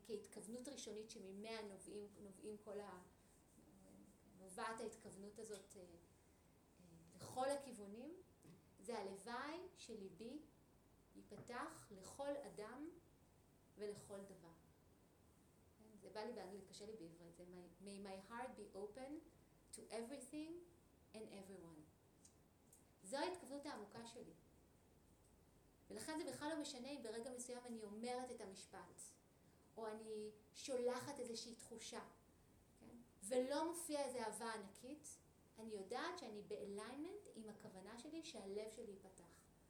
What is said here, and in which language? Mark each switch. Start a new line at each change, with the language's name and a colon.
Hebrew: כהתכוונות ראשונית שממאה נובעים כל ה... נובעת ההתכוונות הזאת לכל הכיוונים, זה הלוואי שליבי ייפתח לכל אדם ולכל דבר. זה בא לי באנגלית, קשה לי בעברית, זה
English: may my heart be open to everything and everyone.
Hebrew: זו ההתכוונות העמוקה שלי. ולכן זה בכלל לא משנה אם ברגע מסוים אני אומרת את המשפט, או אני שולחת איזושהי תחושה, כן? ולא מופיע איזו אהבה ענקית, אני יודעת שאני באליינמנט עם הכוונה שלי שהלב שלי ייפתח.